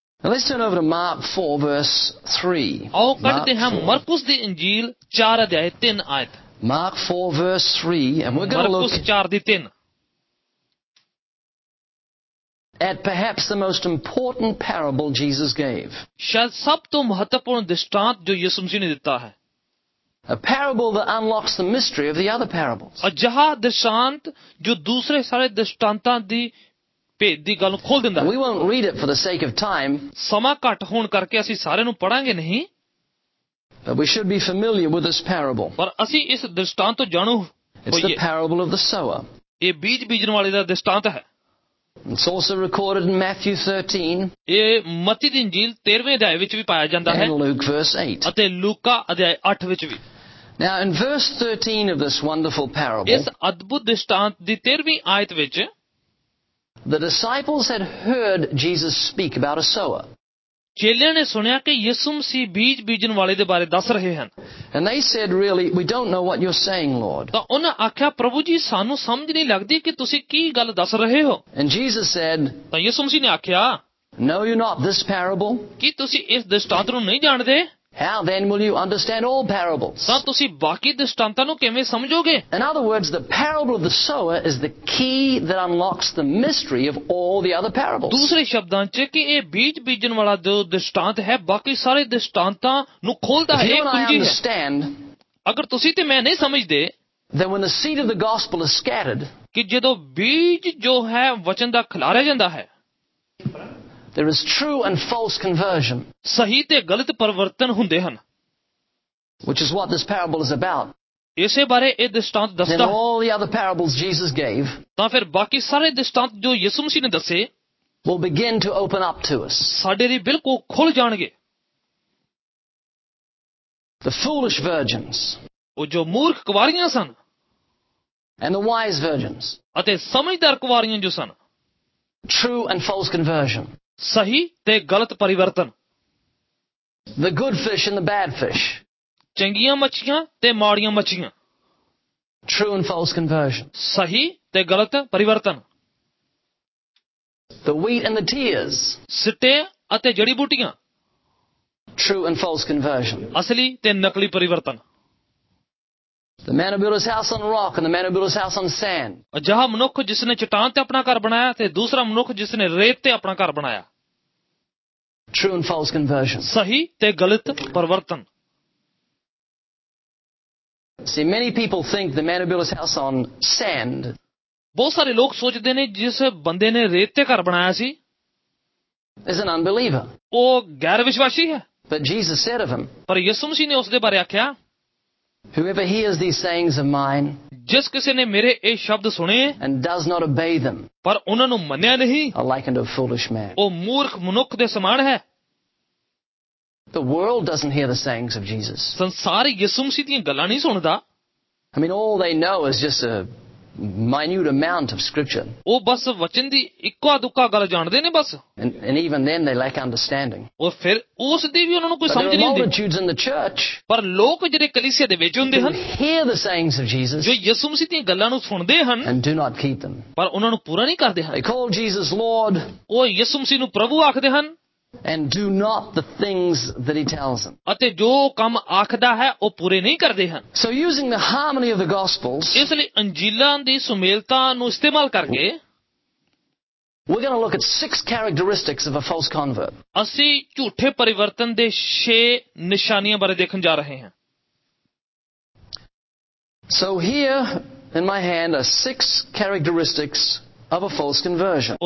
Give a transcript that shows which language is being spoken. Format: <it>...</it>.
<en>Let's turn over to Mark 4 verse 3.</en> <pa>ਆਓ ਕੱਢਦੇ ਹਾਂ ਮਰਕਸ ਦੀ ਇੰਜੀਲ 4 ਅਧਿਆਇ 3 ਆਇਤ.</pa> <en>Mark 4 verse 3 and we're going to look at perhaps the most important parable Jesus gave.</en> <pa>ਸ਼ਾਇਦ ਸਭ ਤੋਂ ਮਹੱਤਵਪੂਰਨ ਦ੍ਰਿਸ਼ਟਾਂਤ ਜੋ ਯਿਸੂ ਮਸੀਹ ਨੇ ਦਿੱਤਾ ਹੈ.</pa> <en>A parable that unlocks the mystery of the other parables.</en> <pa>ਅਜਿਹਾ ਦ੍ਰਿਸ਼ਟਾਂਤ ਜੋ ਦੂਸਰੇ ਸਾਰੇ ਦ੍ਰਿਸ਼ਟਾਂਤਾਂ ਦੀ ਭੇਦ ਦੀ ਗੱਲ ਖੋਲ ਦਿੰਦਾ.</pa> <en>We won't read it for the sake of time.</en> <pa>ਸਮਾਂ ਘੱਟ ਹੋਣ ਕਰਕੇ ਅਸੀਂ ਸਾਰੇ ਨੂੰ ਪੜਾਂਗੇ ਨਹੀਂ.</pa> <en>But we should be familiar with this parable.</en> <pa>ਪਰ ਅਸੀਂ ਇਸ ਦ੍ਰਿਸ਼ਟਾਂਤ ਤੋਂ ਜਾਣੂ ਹੋਈਏ.</pa> <en>It's the parable of the sower.</en> <pa>ਇਹ ਬੀਜ ਬੀਜਣ ਵਾਲੇ ਦਾ ਦ੍ਰਿਸ਼ਟਾਂਤ ਹੈ.</pa> <en>It's also recorded in Matthew 13.</en> <pa>ਇਹ ਮਤੀ ਦੀ ਇੰਜੀਲ 13ਵੇਂ ਅਧਿਆਇ ਵਿੱਚ ਵੀ ਪਾਇਆ ਜਾਂਦਾ ਹੈ.</pa> <en>And Luke verse 8.</en> <pa>ਅਤੇ ਲੂਕਾ ਅਧਿਆਇ 8 ਵਿੱਚ ਵੀ.</pa> <en>Now in verse 13 of this wonderful parable.</en> <pa>ਇਸ ਅਦਭੁਤ ਦ੍ਰਿਸ਼ਟਾਂਤ ਦੀ 13ਵੀਂ ਆਇਤ ਵਿੱਚ.</pa> <en>The disciples had heard Jesus speak about a sower.</en> <pa>ਚੇਲਿਆਂ ਨੇ ਸੁਣਿਆ ਕਿ ਯਿਸੂ ਮਸੀਹ ਬੀਜ ਬੀਜਣ ਵਾਲੇ ਦੇ ਬਾਰੇ ਦੱਸ ਰਹੇ ਹਨ.</pa> <en>And they said, really, we don't know what you're saying, Lord.</en> <pa>ਤਾਂ ਉਹਨਾਂ ਆਖਿਆ, ਪ੍ਰਭੂ ਜੀ, ਸਾਨੂੰ ਸਮਝ ਨਹੀਂ ਲੱਗਦੀ ਕਿ ਤੁਸੀਂ ਕੀ ਗੱਲ ਦੱਸ ਰਹੇ ਹੋ.</pa> <en>And Jesus said,</en> <pa>ਤਾਂ ਯਿਸੂ ਮਸੀਹ ਨੇ ਆਖਿਆ,</pa> <en>Know you not this parable?</en> <pa>ਕੀ ਤੁਸੀਂ ਇਸ ਦ੍ਰਿਸ਼ਟਾਂਤ ਨੂੰ ਨਹੀਂ ਜਾਣਦੇ?</pa> <en>How then will you understand all parables?</en> <pa>ਤਾਂ ਤੁਸੀਂ ਬਾਕੀ ਦ੍ਰਿਸ਼ਟਾਂਤਾਂ ਨੂੰ ਕਿਵੇਂ ਸਮਝੋਗੇ?</pa> <en>In other words, the parable of the sower is the key that unlocks the mystery of all the other parables.</en> <pa>ਦੂਸਰੇ ਸ਼ਬਦਾਂ ਚ ਕਿ ਇਹ ਬੀਜ ਬੀਜਣ ਵਾਲਾ ਜੋ ਦ੍ਰਿਸ਼ਟਾਂਤ ਹੈ ਬਾਕੀ ਸਾਰੇ ਦ੍ਰਿਸ਼ਟਾਂਤਾਂ ਨੂੰ ਖੋਲਦਾ ਹੈ.</pa> <en>If you don't understand,</en> <pa>ਅਗਰ ਤੁਸੀਂ ਤੇ ਮੈਂ ਨਹੀਂ ਸਮਝਦੇ,</pa> <en>then when the seed of the gospel is scattered,</en> <pa>ਕਿ ਜਦੋਂ ਬੀਜ ਜੋ ਹੈ ਵਚਨ ਦਾ ਖਿਲਾਰਿਆ ਜਾਂਦਾ ਹੈ,</pa> <en>there is true and false conversion,</en> <pa>ਸਹੀ ਤੇ ਗਲਤ ਪਰਿਵਰਤਨ ਹੁੰਦੇ ਹਨ,</pa> <en>which is what this parable is about.</en> <pa>ਇਸੇ ਬਾਰੇ ਇਹ ਦ੍ਰਿਸ਼ਟਾਂਤ ਦੱਸਦਾ.</pa> <en>Then all the other parables Jesus gave,</en> <pa>ਤਾਂ ਫਿਰ ਬਾਕੀ ਸਾਰੇ ਦ੍ਰਿਸ਼ਟਾਂਤ ਜੋ ਯਿਸੂ ਮਸੀਹ ਨੇ ਦੱਸੇ,</pa> <en>will begin to open up to us,</en> <pa>ਸਾਡੇ ਲਈ ਬਿਲਕੁਲ ਖੁੱਲ ਜਾਣਗੇ.</pa> <en>The foolish virgins,</en> <pa>ਉਹ ਜੋ ਮੂਰਖ ਕੁਆਰੀਆਂ ਸਨ,</pa> <en>and the wise virgins,</en> <pa>ਅਤੇ ਸਮਝਦਾਰ ਕੁਆਰੀਆਂ ਜੋ ਸਨ,</pa> <en>true and false conversion,</en> <pa>ਸਹੀ ਤੇ ਗਲਤ ਪਰਿਵਰਤਨ,</pa> <en>the good fish and the bad fish,</en> <pa>ਚੰਗੀਆਂ ਮੱਛੀਆਂ ਤੇ ਮਾੜੀਆਂ ਮੱਛੀਆਂ,</pa> <en>true and false conversion,</en> <pa>ਸਹੀ ਤੇ ਗਲਤ ਪਰਿਵਰਤਨ,</pa> <en>the wheat and the tears,</en> <pa>ਸਿੱਟੇ ਅਤੇ ਜੜੀ ਬੂਟੀਆਂ,</pa> <en>true and false conversion,</en> <pa>ਅਸਲੀ ਤੇ ਨਕਲੀ ਪਰਿਵਰਤਨ,</pa> <en>the man who built his house on rock and the man who built his house on sand,</en> <pa>ਅਜਿਹਾ ਮਨੁੱਖ ਜਿਸਨੇ ਚਟਾਨ ਤੇ ਆਪਣਾ ਘਰ ਬਣਾਇਆ ਤੇ ਦੂਸਰਾ ਮਨੁੱਖ ਜਿਸਨੇ ਰੇਤ ਤੇ ਆਪਣਾ ਘਰ ਬਣਾਇਆ,</pa> <en>true and false conversion,</en> <pa>ਸਹੀ ਤੇ ਗਲਤ ਪਰਿਵਰਤਨ.</pa> <en>See, many people think the man who built his house on sand,</en> <pa>ਬਹੁਤ ਸਾਰੇ ਲੋਕ ਸੋਚਦੇ ਨੇ ਜਿਸ ਬੰਦੇ ਨੇ ਰੇਤ ਤੇ ਘਰ ਬਣਾਇਆ ਸੀ,</pa> <en>is an unbeliever,</en> <pa>ਉਹ ਗੈਰ ਵਿਸ਼ਵਾਸੀ ਹੈ.</pa> <en>But Jesus said of him,</en> <pa>ਪਰ ਯਿਸੂ ਮਸੀਹ ਨੇ ਉਸ ਦੇ ਬਾਰੇ ਆਖਿਆ,</pa> <en>whoever hears these sayings of mine,</en> <pa>ਜਿਸ ਕਿਸੇ ਨੇ ਮੇਰੇ ਇਹ ਸ਼ਬਦ ਸੁਣੇ,</pa> <en>and does not obey them,</en> <pa>ਪਰ ਉਹਨਾਂ ਨੂੰ ਮੰਨਿਆ ਨਹੀਂ,</pa> <en>are likened to a foolish man,</en> <pa>ਉਹ ਮੂਰਖ ਮਨੁੱਖ ਦੇ ਸਮਾਨ ਹੈ.</pa> <en>The world doesn't hear the sayings of Jesus,</en> <pa>ਸੰਸਾਰ ਯਿਸੂ ਮਸੀਹ ਦੀਆਂ ਗੱਲਾਂ ਨਹੀਂ ਸੁਣਦਾ.</pa> <en>I mean, all they know is just a minute amount of scripture,</en> <pa>ਉਹ ਬਸ ਵਚਨ ਦੀ ਇੱਕਾ ਦੁੱਕਾ ਗੱਲ ਜਾਣਦੇ ਨੇ ਬਸ.</pa> <en>And even then they lack understanding,</en> <pa>ਉਹ ਫਿਰ ਉਸ ਦੀ ਵੀ ਉਹਨਾਂ ਨੂੰ ਕੋਈ ਸਮਝ ਨਹੀਂ ਆਉਂਦੀ.</pa> <en>Multitudes in the church,</en> <pa>ਪਰ ਲੋਕ ਜਿਹੜੇ ਕਲੀਸਿਆ ਦੇ ਵਿੱਚ ਹੁੰਦੇ ਹਨ,</pa> <en>hear the sayings of Jesus,</en> <pa>ਜੋ ਯਿਸੂ ਮਸੀਹ ਦੀਆਂ ਗੱਲਾਂ ਨੂੰ ਸੁਣਦੇ ਹਨ,</pa> <en>and do not keep them,</en> <pa>ਪਰ ਉਹਨਾਂ ਨੂੰ ਪੂਰਾ ਨਹੀਂ ਕਰਦੇ ਹਨ.</pa> <en>They call Jesus Lord,</en> <pa>ਉਹ ਯਿਸੂ ਮਸੀਹ ਨੂੰ ਪ੍ਰਭੂ ਆਖਦੇ ਹਨ,</pa> <en>And do not the things that he tells them.</en> <pa>ਅਤੇ ਜੋ ਕੰਮ ਆਖਦਾ ਹੈ ਉਹ ਪੂਰੇ ਨਹੀਂ ਕਰਦੇ ਹਨ.</pa> <en>So using the harmony of the gospels.</en> <pa>ਇਸ ਲਈ ਅੰਜੀਲਾਂ ਦੀ ਸੁਮੇਲਤਾ ਨੂੰ ਇਸਤੇਮਾਲ ਕਰਕੇ</pa> <en>we're going to look at 6 characteristics of a false convert.</en> <pa>ਅਸੀਂ ਝੂਠੇ ਪਰਿਵਰਤਨ ਦੇ 6 ਨਿਸ਼ਾਨੀਆਂ ਬਾਰੇ ਦੇਖਣ ਜਾ ਰਹੇ ਹਾਂ.</pa> <en>So here in my hand are 6 characteristics of a false conversion.</en>